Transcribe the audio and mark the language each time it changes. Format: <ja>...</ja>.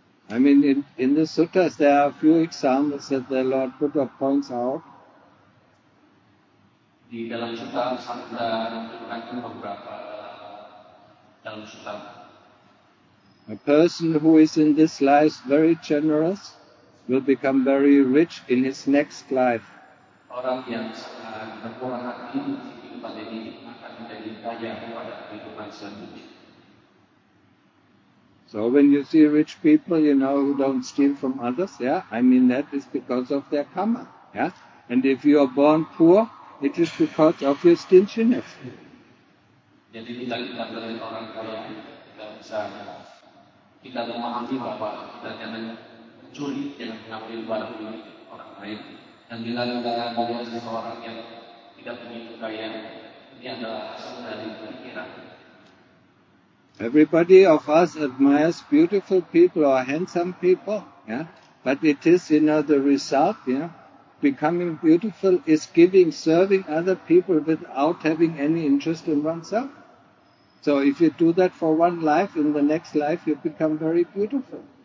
<en>I mean, in the suttas, there are a few examples that the Lord Buddha points out.</en> <id>Di dalam sutta sabda menunjukkan beberapa dalam sutta.</id> <en>A person who is in this life very generous will become very rich in his next life.</en> <id>Orang yang berkurang hati di kehidupan ini akan menjadi kaya pada kehidupan selanjutnya.</id> <en>So when you see rich people, you know, who don't steal from others, yeah, I mean that is because of their karma, yeah. And if you are born poor, it is because of your stinginess.</en> <id>Jadi kita lihat dari orang kaya tidak bisa kita memahami bahwa kita jangan mencuri, jangan mengambil barang milik orang lain. Dan bila kita melihat seseorang yang tidak punya kekayaan, ini adalah hasil dari pikiran.</id> <en>Everybody of us admires beautiful people or handsome people, yeah. But it is, you know, the result, yeah. Becoming beautiful is giving, serving other people without having any interest in oneself. So if you do that for one life, in the next life you become very beautiful.</en>